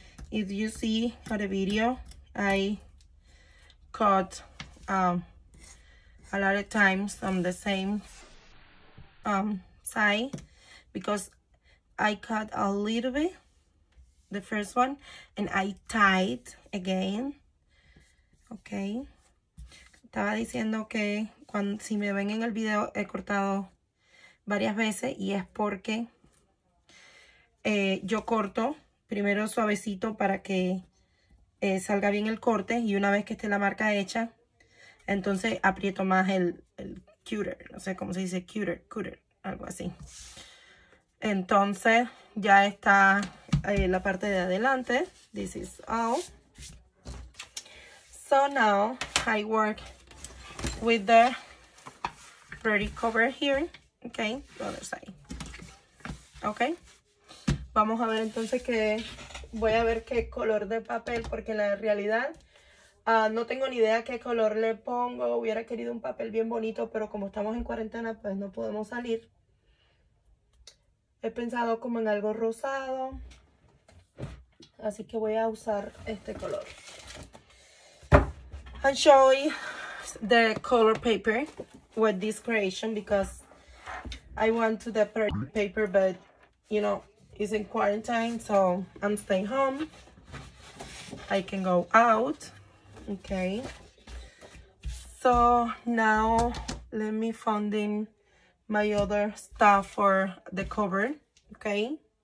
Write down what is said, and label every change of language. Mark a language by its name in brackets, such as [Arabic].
[English] If you see at the video, I cut a lot of times on the same side because I cut a little bit the first one and I tied again, okay. [Spanish] Estaba diciendo que cuando si me ven en el video he cortado varias veces y es porque yo corto primero suavecito para que salga bien el corte y una vez que esté la marca hecha, entonces aprieto más el cutter, no sé cómo se dice cutter, algo así. Entonces ya está la parte de adelante, [English] this is all. So now I work with the ready cover here. Okay, the other side. Okay. [Spanish] Vamos a ver entonces que voy a ver qué color de papel, porque en la realidad no tengo ni idea qué color le pongo. Hubiera querido un papel bien bonito, pero como estamos en cuarentena, pues no podemos salir. He pensado como en algo rosado, así que voy a usar este color. [English] I'm showing the color paper with this creation because I want to prepare paper, but you know, it's in quarantine, so I'm staying home. I can go out, okay. So now let me find in my other stuff for the cover, okay.